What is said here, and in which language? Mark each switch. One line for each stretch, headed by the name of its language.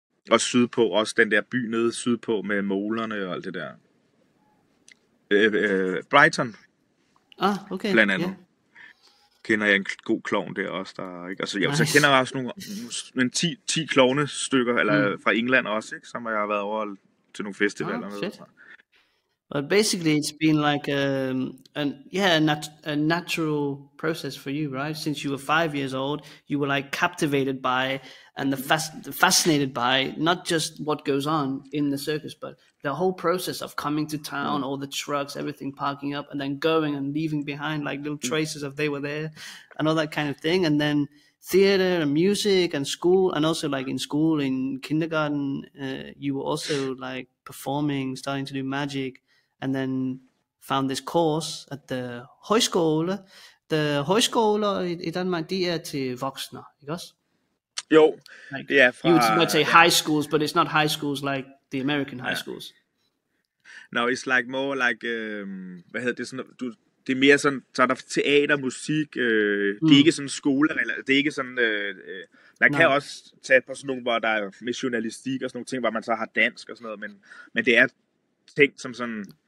Danish: Og sydpå, også den der by nede sydpå med molerne og alt det der. Brighton. Ah, okay. Blandt andet. Yeah. Kender jeg en god klovn der også. Der, ikke? Altså, jeg, nice. Så kender jeg også nogle 10 klovnestykker eller fra England også, ikke? Som jeg har været over til nogle festivaler. Ah, fedt.
English: But basically, it's been like a natural process for you, right? Since you were 5 years old, you were like captivated by and fascinated by not just what goes on in the circus, but the whole process of coming to town, all the trucks, everything parking up, and then going and leaving behind like little traces of they were there, and all that kind of thing, and then theater and music and school, and also like in school in kindergarten, you were also like performing, starting to do magic. And then found this course at the højskole.
Danish: The højskole i Danmark, de er til voksne, ikke også? Jo, like, det er fra...
English: You would not say high schools, but it's not high schools like the American high schools. No, it's like more like,
Danish: hvad hedder det, sådan, du, det er mere sådan, så er der teater, musik, det er ikke sådan skole, det er ikke sådan, man kan også tage på sådan nogle, hvor der er med journalistik og sådan nogle ting, hvor man så har dansk og sådan noget, men det er ting som sådan...